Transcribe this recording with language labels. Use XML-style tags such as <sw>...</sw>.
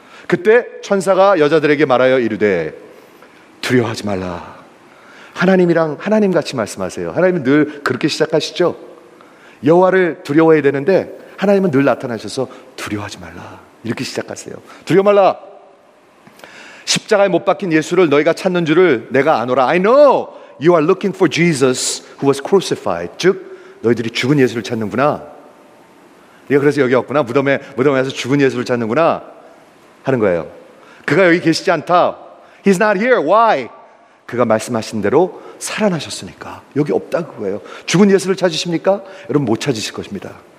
<ko>그때 천사가 여자들에게 말하여 이르되, 두려워하지 말라. 하나님이랑 하나님 같이 말씀하세요. 하나님은 늘 그렇게 시작하시죠. 여호와를 두려워해야 되는데 하나님은 늘 나타나셔서 두려워하지 말라 이렇게 시작하세요. 두려워 말라. 십자가에 못 박힌 예수를 너희가 찾는 줄을 내가 아노라.</ko> <en>I know you are looking for Jesus who was crucified.</en> <ko>즉 너희들이 죽은 예수를 찾는구나. 네가 그래서 여기 왔구나. 무덤에서 죽은 예수를 찾는구나 하는 거예요. 그가 여기 계시지 않다.</ko> <en>He's not here. Why?</en> <ko>그가 말씀하신 대로 살아나셨으니까. 여기 없다 그거예요. 죽은 예수를 찾으십니까? 여러분 못 찾으실 것입니다.</ko>